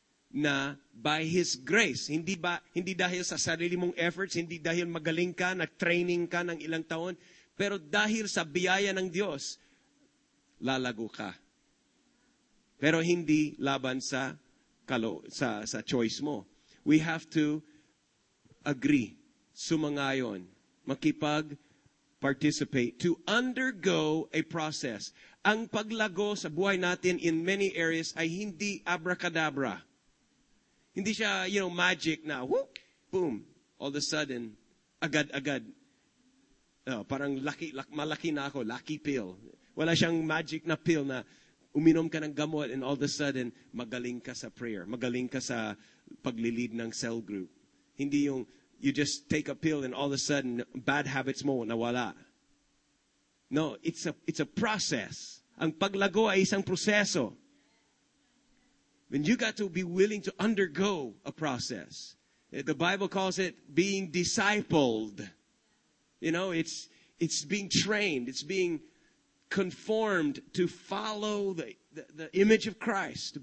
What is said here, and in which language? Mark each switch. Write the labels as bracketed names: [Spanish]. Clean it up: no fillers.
[Filipino] na [English] by His grace, [Filipino] hindi dahil sa sarili mong efforts, hindi dahil magaling ka, nag-training ka ng ilang taon, pero dahil sa biyaya ng Diyos, lalago ka. Pero hindi laban sa choice mo. [English] We have to agree, [Filipino] sumangayon, makipag-participate, [English] to undergo a process. [Filipino] Ang paglago sa buhay natin [English] in many areas [Filipino] ay hindi abracadabra. Hindi siya, you know, magic na, whoop, boom, [English] all of a sudden, [Filipino] agad-agad. Parang malaki na ako, lucky pill. Wala siyang magic na pill na uminom ka ng gamot [English] and all of a sudden, [Filipino] magaling ka sa prayer, magaling ka sa paglilid ng cell group. Hindi yung, [English] you just take a pill and all of a sudden, bad habits [Filipino] mo, nawala. [English] No, it's a process. [Filipino] Ang paglago ay isang proseso. [English] And you got to be willing to undergo a process. The Bible calls it being discipled. You know, it's being trained. It's being conformed to follow the image of Christ.